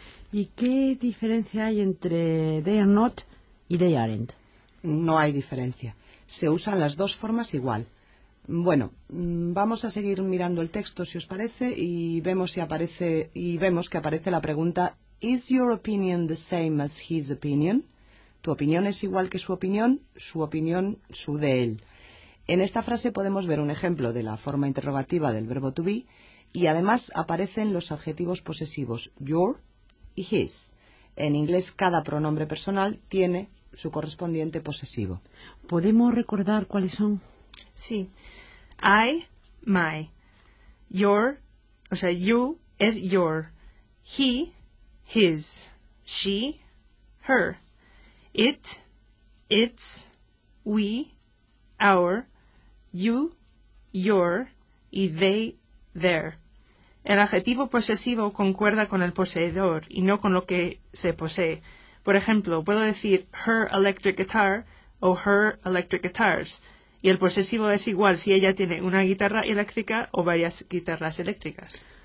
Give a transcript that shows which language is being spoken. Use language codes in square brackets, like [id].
[es] ¿Y qué diferencia hay entre [en] they are not [es] y [en] they aren't? [es] No hay diferencia. Se usan las dos formas igual. Bueno, vamos a seguir mirando el texto, si os parece, y vemos que aparece la pregunta. [en] Is your opinion the same as his opinion? [es] ¿Tu opinión es igual que su opinión, su de él? En esta frase podemos ver un ejemplo de la forma interrogativa del verbo to be y además aparecen los adjetivos posesivos your y his. En inglés cada pronombre personal tiene su correspondiente posesivo. ¿Podemos recordar cuáles son? [en] Sí. I, my. Your, [es] o sea, [en] you es your. He, his, she, her, it, its, we, our, you, your, y they, their. [es] El adjetivo posesivo concuerda con el poseedor y no con lo que se posee. Por ejemplo, puedo decir [en] her electric guitar [es] o [en] her electric guitars, [es] y el posesivo es igual si ella tiene una guitarra eléctrica o varias guitarras eléctricas.